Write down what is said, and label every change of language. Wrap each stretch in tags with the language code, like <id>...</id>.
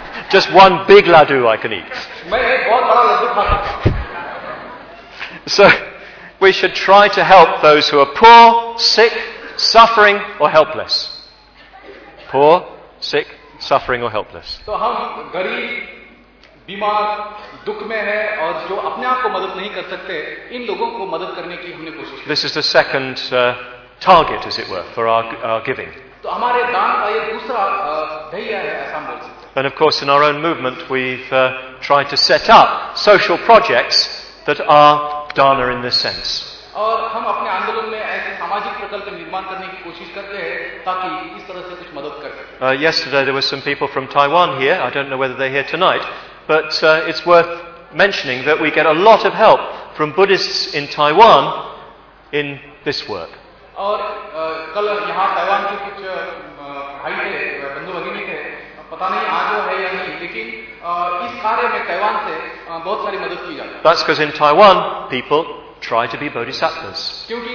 <en>Just one big laddu I can eat. So, we should try to help those who are poor, sick, suffering, or helpless. Poor, sick, suffering, or helpless.</en> <hi>So, हम गरीब, बीमार, दुख में हैं और जो अपने आप को मदद नहीं कर सकते, इन लोगों को मदद करने की हमने कोशिश की.</hi> <en>This is the second target, as it were, for our giving.</en> <hi>तो हमारे दान का ये दूसरा ध्येय है, ऐसा हम बोल सकते हैं.</hi> <en>And of course, in our own movement, we've tried to set up social projects that are dana in this sense.</en> <hi>और हम अपने आंदोलन में ऐसे सामाजिक प्रकल्प निर्माण करने की कोशिश करते हैं ताकि इस तरह से कुछ मदद कर सके.</hi> <en>Yesterday there were some people from Taiwan here. I don't know whether they're here tonight, but it's worth mentioning that we get a lot of help from Buddhists in Taiwan in this work.</en> <hi>और कल यहाँ Taiwan के कुछ भाई थे, बंधु भगिनी थे.</hi> <en>That's because in Taiwan, people try to be bodhisattvas.</en>